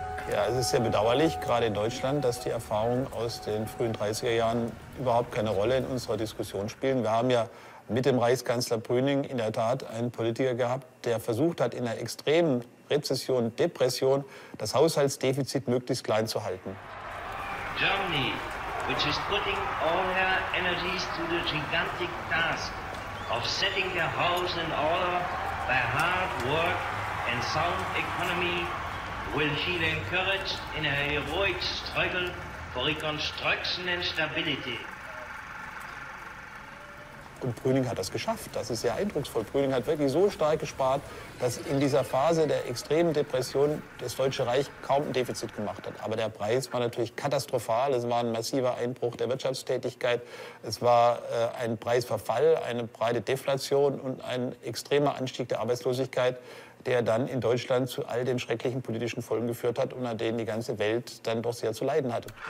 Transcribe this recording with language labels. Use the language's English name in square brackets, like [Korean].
[German] Ja, es ist sehr bedauerlich, gerade in Deutschland, dass die Erfahrungen aus den frühen 30er Jahren überhaupt keine Rolle in unserer Diskussion spielen. Wir haben ja mit dem Reichskanzler Brüning in der Tat einen Politiker gehabt, der versucht hat, in einer extremen Rezession, Depression, das Haushaltsdefizit möglichst klein zu halten. [English] Germany, which is putting all her energies to the gigantic task of setting her house in order by hard work and sound economy, will feel encouraged in her heroic struggle for reconstruction and stability. [German] Und Brüning hat das geschafft. Das ist sehr eindrucksvoll. Brüning hat wirklich so stark gespart, dass in dieser Phase der extremen Depression das Deutsche Reich kaum ein Defizit gemacht hat. Aber der Preis war natürlich katastrophal. Es war ein massiver Einbruch der Wirtschaftstätigkeit. Es war ein Preisverfall, eine breite Deflation und ein extremer Anstieg der Arbeitslosigkeit, der dann in Deutschland zu all den schrecklichen politischen Folgen geführt hat und an denen die ganze Welt dann doch sehr zu leiden hatte.